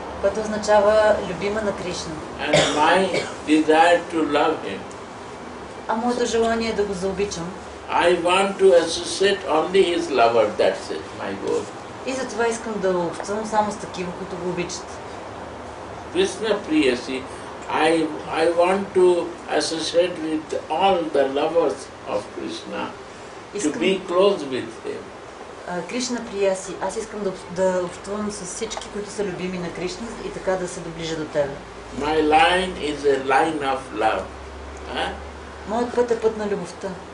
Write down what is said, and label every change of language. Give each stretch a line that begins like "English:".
Bulgarian: Което означава любима на Кришна.
English: And my desire to love him.
Bulgarian: А моето желание е да го заобичам.
English: I want to associate only his lover, that's it, my goal.
Bulgarian: И затова искам да общувам само с такива, които го обичат.
English: Krishna Priyasi, I want to associate with all the lovers of Krishna, to be close with him.
Bulgarian: Кришна Приаси, аз искам да общувам с всички, които са любими на Кришна и така да се доближа до тебе.
English: My line is a line of love.
Bulgarian: Моят път е път на любовта.